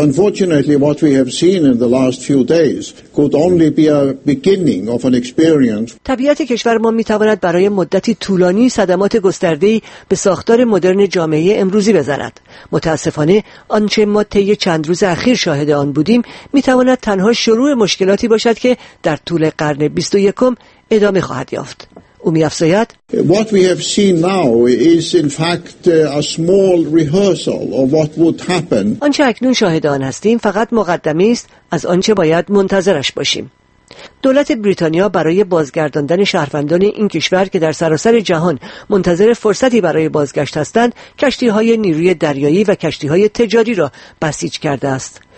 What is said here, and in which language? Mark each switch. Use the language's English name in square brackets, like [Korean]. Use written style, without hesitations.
[English] Unfortunately, what we have seen in the last few days could only be a beginning of an experience. [Persian] طبیعت کشور ما می‌تواند برای مدتی طولانی صدمات گسترده‌ای به ساختار مدرن جامعه امروزی بزند. متاسفانه آنچه ما طی چند روز اخیر شاهد آن بودیم میتواند تنها شروع مشکلاتی باشد که در طول قرن 21 ادامه خواهد یافت. او میافزاید [English] What we have seen now is in fact a small rehearsal of what would happen. [Persian] آنچه اکنون شاهد آن هستیم فقط مقدمه است از آنچه باید منتظرش باشیم. دولت بریتانیا برای بازگرداندن شهروندان این کشور که در سراسر جهان منتظر فرصتی برای بازگشت هستند، کشتی‌های نیروی دریایی و کشتی‌های تجاری را بسیج کرده است.